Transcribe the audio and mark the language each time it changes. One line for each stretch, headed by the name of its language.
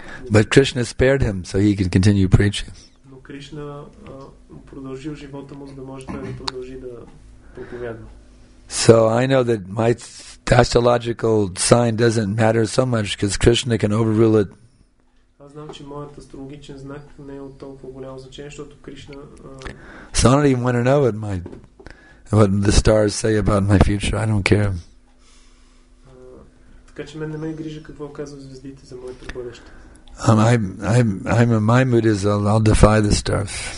English: But Krishna spared him so he could continue preaching.
Bulgarian: Кришна продължил живота му, за да може да продължи да проповядва.
English: So I know that my astrological sign doesn't matter so much because Krishna can overrule it.
Bulgarian: Аз знам, че моят астрологичен знак не е от толкова голямо значение, защото Кришна.
English: So I don't even want to know what the stars say about my future. I don't care.
Bulgarian: Така че мен не ме грижа какво казват звездите за моето бъдеще.
English: My mood is I'll defy the stars.